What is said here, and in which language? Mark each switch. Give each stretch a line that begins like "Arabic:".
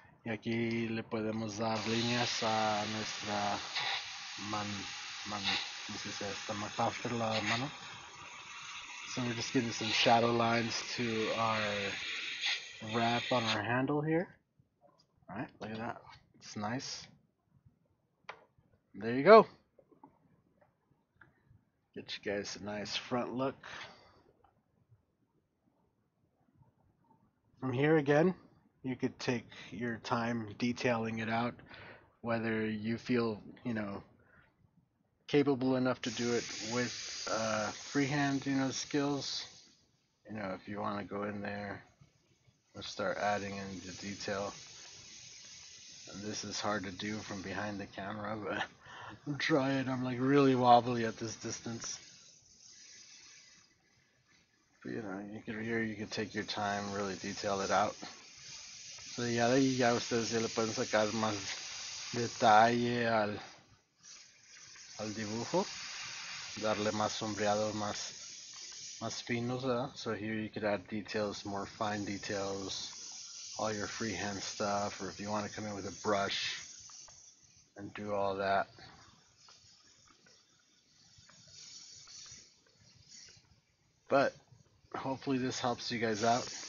Spanish: Y aquí le podemos dar líneas a nuestra mano.
English: This is
Spanish: esta metáfora la mano.
English: So we're just getting some shadow lines to our wrap on our handle here. Alright, look at that. It's nice. There you go. Get you guys a nice front look. From here again, you could take your time detailing it out, whether you feel, you know, capable enough to do it with freehand, you know, skills. You know, if you want to go in there and start adding in the detail. And this is hard to do from behind the camera, but I'm trying. I'm like really wobbly at this distance. But you know, you can take your time, really detail it out.
Spanish: ya, ya ustedes ya le pueden sacar más detalle al dibujo, darle más sombreado, más finos, ¿verdad?
English: So here you could add details, more fine details, all your freehand stuff, or if you want to come in with a brush and do all that. But hopefully this helps you guys out.